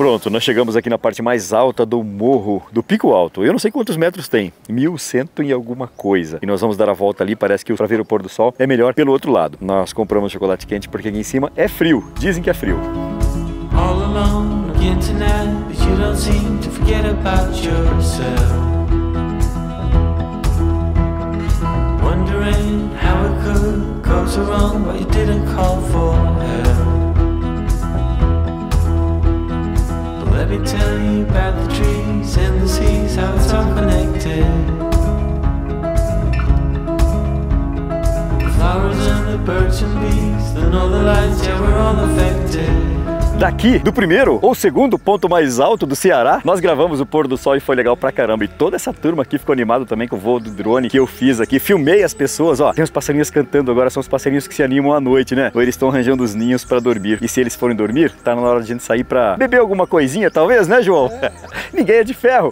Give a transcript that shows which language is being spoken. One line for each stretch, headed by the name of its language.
Portuguese: Nós chegamos aqui na parte mais alta do morro, do Pico Alto. Eu não sei quantos metros tem, 1100 e alguma coisa. E nós vamos dar a volta ali, parece que para ver o pôr do sol é melhor pelo outro lado. Nós compramos chocolate quente porque aqui em cima é frio, dizem que é frio.
English: All alone on the internet, but you don't seem to forget about yourself. Wondering how it could go so wrong, but you didn't call for help. Let me tell you about the trees and the seas, how it's all connected. The flowers and the birds and bees, and all the lights, yeah, we're all affected.
Portuguese: Daqui, do primeiro ou segundo ponto mais alto do Ceará, nós gravamos o pôr do sol e foi legal pra caramba. E toda essa turma aqui ficou animada também com o voo do drone que eu fiz aqui. Filmei as pessoas, ó. Tem uns passarinhos cantando agora, são os passarinhos que se animam à noite, né? Ou eles estão arranjando os ninhos pra dormir. E se eles forem dormir, tá na hora de a gente sair pra beber alguma coisinha, talvez, né, João? É. Ninguém é de ferro.